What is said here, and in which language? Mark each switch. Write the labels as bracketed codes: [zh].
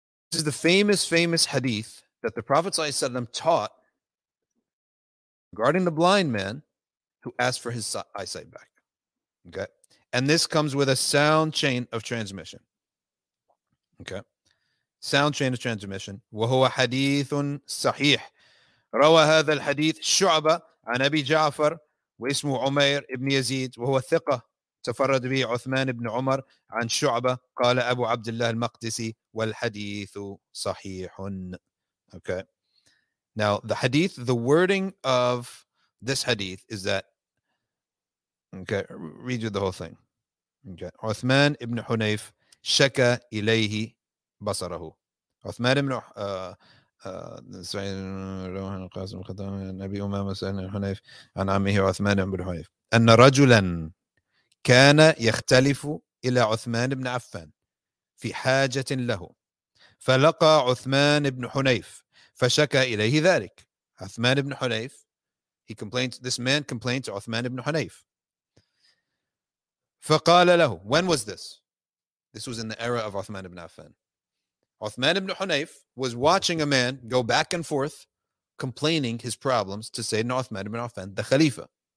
[en] This is the famous, famous hadith that the Prophet ﷺ taught regarding the blind man who asked for his eyesight back. Okay. And this comes with a sound chain of transmission. Okay. Sound chain of transmission. [ar] وَهُوَ حَدِيثٌ صَحِيحٌ رَوَى هَذَا الْحَدِيثِ شُعْبَةٌ عن أبي جعفر واسمه عمير ابن يزيد وهو ثقة تفرد به عثمان ابن عمر عن شعبة قال أبو عبد الله المقدسي والحديث صحيح. [en] Okay. Now the hadith, the wording of this hadith is that, okay, read you the whole thing. Okay. [ar] عثمان ابن حنيف شكى إليه بصره. عثمان ابن أن رجلا كان يختلف إلى عثمان بن عفان في حاجة له فلقى عثمان بن حنيف فشكى إليه ذلك. [en] عثمان بن حنيف, he complained, this man complained to عثمان بن حنيف. [ar] فقال له, [en] when was this? This was in the era of عثمان بن عفان. Uthman ibn Hunayf was watching a man go back and forth complaining his problems to Sayyidina Uthman ibn Affan, the Khalifa.